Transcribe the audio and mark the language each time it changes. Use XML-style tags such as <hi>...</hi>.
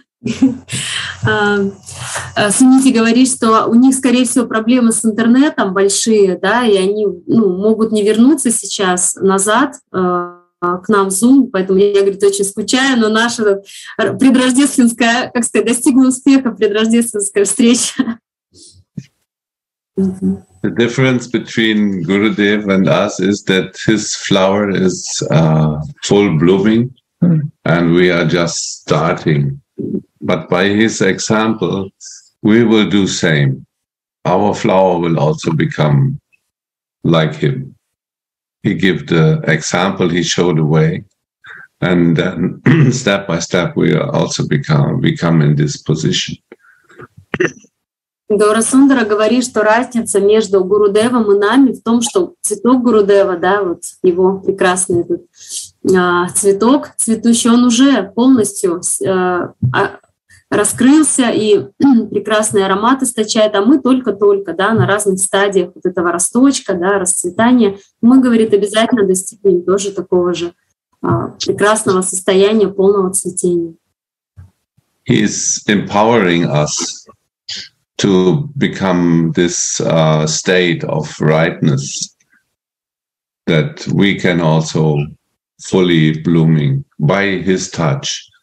<ru>Сумите говорит, что у них, скорее всего, проблемы с интернетом большие, да, и они, ну, могут не вернуться сейчас назад к нам в Zoom, поэтому я, говорит, очень скучаю, но наша предрождественская, как сказать, достигла успеха предрождественская встреча.</ru> <en>The difference between Gurudev and us is that his flower is full blooming and we are just starting. But by his example, we will do same. Our flower will also become like him. He gave the example, he showed the way. And then step by step, we also become in this position.</en> <ru>Гаурасундара говорит, что разница между Гурудевом и нами в том, что цветок Гурудева, да, вот его прекрасный этот, цветок, цветущий, он уже полностью раскрылся и прекрасный аромат источает, а мы только-только, да, на разных стадиях вот этого росточка, да, расцветания, мы, говорит, обязательно достигнем тоже такого же прекрасного состояния, полного цветения.</ru> <en>He is empowering us to become this state of ripeness that we can also fully blooming by his touch.</en>